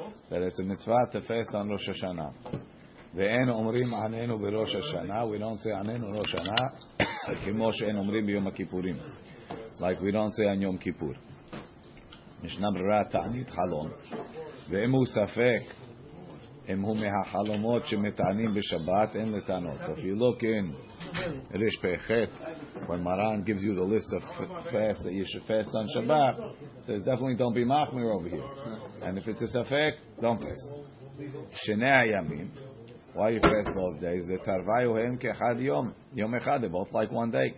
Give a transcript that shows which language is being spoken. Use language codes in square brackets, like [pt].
[en] That it's a mitzvah to fast on Rosh Hashanah. [he] ואין אומרים עננו בראש השנה, [en] we don't say [he] עננו ראש השנה, כמו שאין אומרים ביום הכיפורים. [en] Like we don't say on [he] יום כיפור. משנה ברירה תענית חלום. ואם הוא ספק, אם הוא מהחלומות שמתענים בשבת, אין לטענות. [en] So if you look in, רש פחת, when Maran gives you the list of fast that you should fast on Shabbat, says definitely don't be machmir over here. And if it's a ספק, don't fast. [he] שני הימים, [en] why you fast both days? [he] The tarvayu hem kechad yom. Yom echad, [en] they're both like one day.